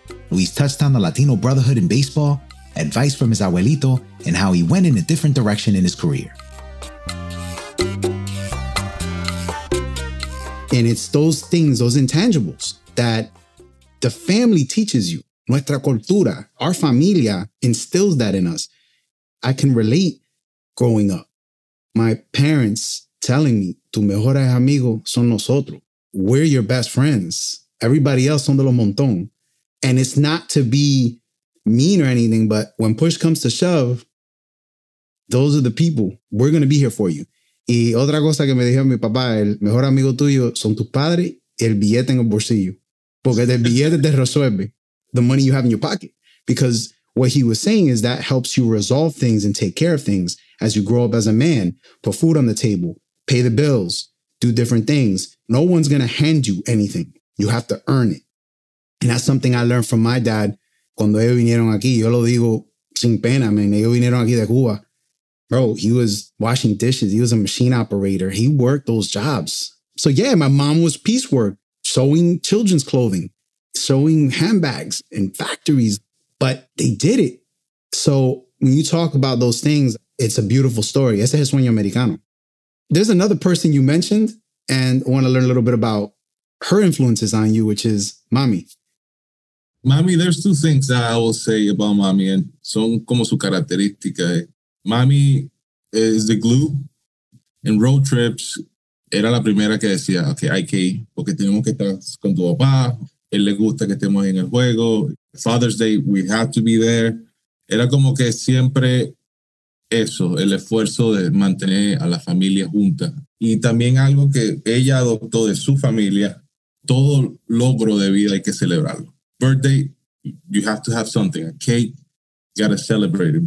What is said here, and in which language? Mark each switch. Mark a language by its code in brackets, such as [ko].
[en] Luis touched on the Latino brotherhood in baseball, advice from his abuelito, and how he went in a different direction in his career. And it's those things, those intangibles that the family teaches you. [es] Nuestra cultura, [en] our familia, instills that in us. I can relate growing up. My parents telling me, [es] tu mejor amigo son nosotros. [en] We're your best friends. Everybody else [es] son de los montón. [en] And it's not to be mean or anything, but when push comes to shove, those are the people. We're going to be here for you. [es] Y otra cosa que me dijeron mi papá, el mejor amigo tuyo son tus padres y el billete en el bolsillo. Porque el billete te resuelve. [en] The money you have in your pocket. Because what he was saying is that helps you resolve things and take care of things as you grow up as a man. Put food on the table, pay the bills, do different things. No one's going to hand you anything. You have to earn it. And that's something I learned from my dad. [es] Cuando ellos vinieron aquí, yo lo digo sin pena, man. Ellos vinieron aquí de Cuba. [en] Bro, he was washing dishes. He was a machine operator. He worked those jobs. So yeah, my mom was piecework. sewing children's clothing, sewing handbags in factories, but they did it. So when you talk about those things, it's a beautiful story. [es] Ese es sueño americano. [en] There's another person you mentioned and I want to learn a little bit about her influences on you, which is mommy. Mommy, there's two things that I will say about mommy and [es] son como su característica. [en] Mommy is the glue. In road trips, [es] era la primera que decía, okay, hay que ir, porque tenemos que estar con tu papá. Él le gusta que estemos en el juego. [en] Father's Day, we have to be there. [es] Era como que siempre eso, el esfuerzo de mantener a la familia junta. Y también algo que ella adoptó de su familia, todo logro de vida hay que celebrarlo. [en] Birthday, you have to have something. A cake, you gotta celebrate it.